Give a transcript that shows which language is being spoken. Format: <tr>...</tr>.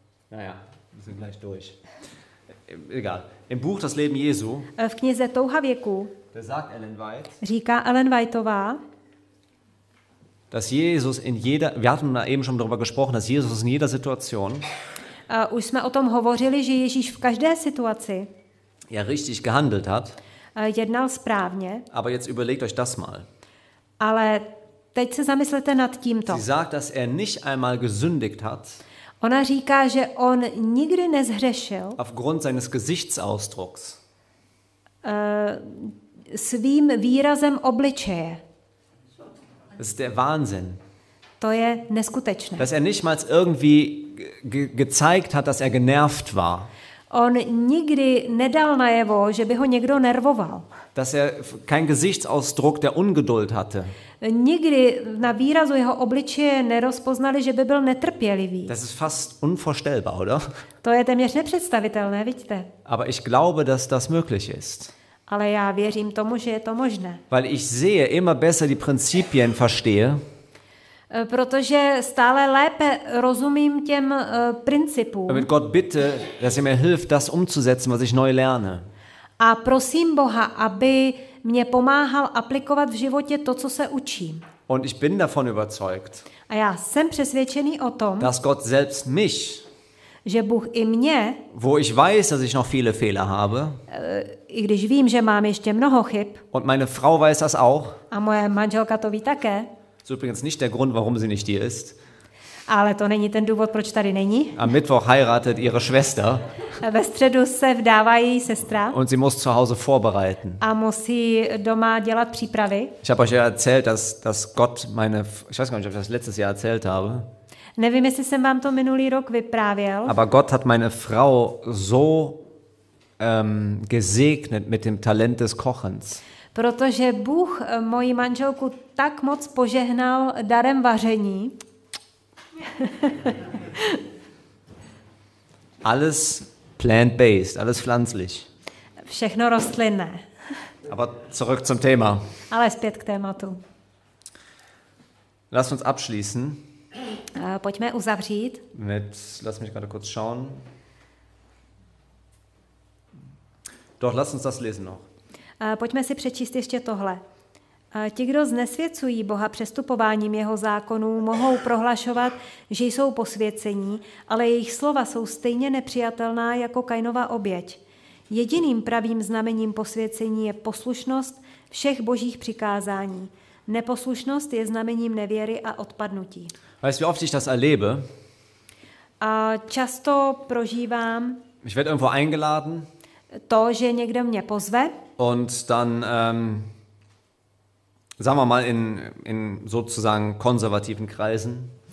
<de>Naja, wir sind gleich durch. Egal. Im Buch das Leben Jesu.</de> <cs>V knize Touha věků.</cs> <de>Der sagt Ellen White.</de> <cs>Říká Ellen Whiteová.</cs> <de>Dass Jesus in jeder, wir hatten da eben schon darüber gesprochen, dass Jesus in jeder Situation.</de> <cs>Už jsme o tom hovořili, že Ježíš v každé situaci.</cs> <de>Ja, richtig gehandelt hat.</de> <cs>Jednal správně.</cs> <de>Aber jetzt überlegt euch das mal.</de> <cs>Ale teď se zamyslete nad tímto.</cs> <de>Sie sagt, dass er nicht einmal gesündigt hat.</de> <cs>Ona říká, že on nikdy nezhřešil.</cs> <de>Aufgrund seines Gesichtsausdrucks.</de> <cs>Svým výrazem obličeje.</cs> <de>Das ist der Wahnsinn.</de> <cs>To je neskutečné.</cs> <de>Dass er nicht mal irgendwie gezeigt hat, dass er genervt war.</de> <cs>On nikdy nedal najevo, že by ho někdo nervoval.</cs> <de>Dass er kein Gesichtsausdruck der Ungeduld hatte.</de> <cs>Nikdy na výrazu jeho obličeje nerozpoznali, že by byl netrpělivý.</cs> <de>Das ist fast unvorstellbar, oder?</de> <cs>To je téměř nepředstavitelné, vidíte?</cs> <de>Aber ich glaube, dass das möglich ist.</de> <cs>Ale já věřím tomu, že je to možné.</cs> <de>Weil ich sehe immer besser die Prinzipien verstehe.</de> <cs>Protože stále lépe rozumím těm principům.</cs> <de>Mit Gott bitte, dass er mir hilft, das umzusetzen, was ich neu lerne.</de> <cs>A prosím Boha, aby mě pomáhal aplikovat v životě to, co se učím.</cs> <de>Und ich bin davon überzeugt.</de> <cs>A já jsem přesvědčený o tom,</cs> <de>dass Gott selbst mich,</de> <cs>že Bůh i mě,</cs> <de>wo ich weiß, dass ich noch viele Fehler habe,</de> <cs>i když vím, že mám ještě mnoho chyb,</cs> <de>und meine Frau weiß das auch,</de> <cs>a moje manželka to ví také,</cs> <de>ist übrigens nicht der Grund, warum sie nicht hier ist,</de> <cs>ale to není ten důvod, proč tady není,</cs> <de>am Mittwoch heiratet ihre Schwester,</de> <cs>ve středu se vdává její sestra,</cs> <de>und sie muss zu Hause vorbereiten,</de> <cs>a musí doma dělat přípravy.</cs> <de>Ich habe euch ja erzählt, dass Gott meine, ich weiß gar nicht, ob ich das letztes Jahr erzählt habe,</de> <cs>nevím, jestli jsem vám to minulý rok vyprávěl.</cs> <de>Aber Gott hat meine Frau so gesegnet mit dem Talent des Kochens.</de> <cs>Protože Bůh moji manželku tak moc požehnal darem vaření.</cs> <de>Alles plant-based, alles pflanzlich.</de> <cs>Všechno rostlinné.</cs> <de>Aber zurück zum Thema.</de> <cs>Ale zpět k tématu.</cs> <de>Lass uns abschließen.</de> <cs>Pojďme uzavřít.</cs> <de>Lass mich gerade kurz schauen. Doch, lass uns das lesen noch.</de> <cs>Pojďme si přečíst ještě tohle. Ti, kdo znesvěcují Boha přestupováním jeho zákonů, mohou prohlašovat, že jsou posvěcení, ale jejich slova jsou stejně nepřijatelná jako Kainova oběť. Jediným pravým znamením posvěcení je poslušnost všech božích přikázání. Neposlušnost je znamením nevěry a odpadnutí.</cs> <de>Weißt, wie oft ich das erlebe?</de> <cs>Často prožívám.</cs> <de>Ich werde irgendwo eingeladen.</de> <cs>To, že někdo mě pozve.</cs> <de>Und dann sagen wir mal in sozusagen konservativen Kreisen.</de>